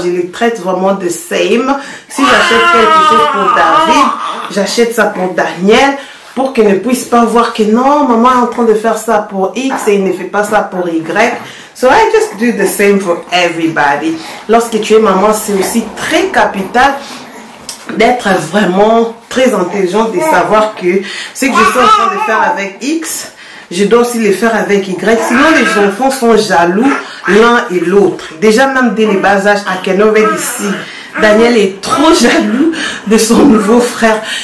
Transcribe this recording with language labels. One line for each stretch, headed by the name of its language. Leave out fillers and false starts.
French: Je les traite vraiment
English: the same.
French: Si j'achète quelque chose pour David, j'achète ça pour Daniel. Pour qu'ils ne puissent pas voir que non, maman est en train de faire ça pour X et il ne fait pas ça pour Y.
English: So I just do the same for everybody.
French: Lorsque tu es maman, c'est aussi très capital d'être vraiment très intelligente et savoir que ce que je suis en train de faire avec X, je dois aussi le faire avec Y. Sinon, les enfants sont jaloux l'un et l'autre. Déjà, même dès les bas âges, à Kenovel ici, Daniel est trop jaloux de son nouveau frère.